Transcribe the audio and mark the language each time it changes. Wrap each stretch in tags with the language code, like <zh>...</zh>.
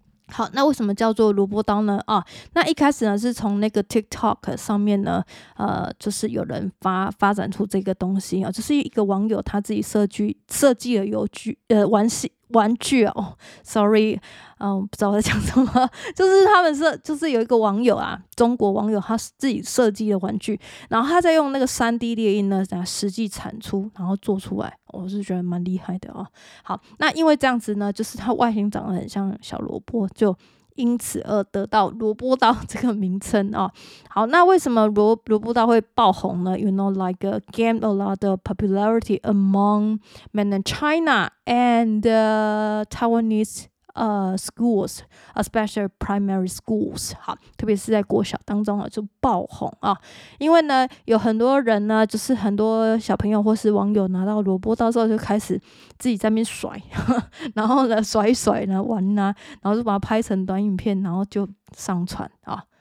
<zh>好，那为什么叫做萝卜刀呢？啊，那一开始呢是从那个 TikTok 上面呢，就是有人发展出这个东西啊，就是一个网友他自己设计了玩具，不知道我在讲什么，就是他们是就是有一个网友啊，中国网友他自己设计的玩具，然后他在用那个 3D 列印呢实际产出，然后做出来，我是觉得蛮厉害的哦。好，那因为这样子呢，就是他外形长得很像小萝卜，就因此而得到萝卜刀这个名称哦。好，那为什么萝卜刀会爆红呢？</zh> <en>You know, like gained a lot of popularity among mainland China and Taiwanese schools, especially primary schools.</en> <zh>好，特别是在国小当中就爆红啊，因为呢有很多人呢，就是很多小朋友或是网友拿到萝卜刀之后就开始自己在那边甩，然后呢甩一甩呢玩呢，啊，然后就把它拍成短影片，然后就上传啊。</zh>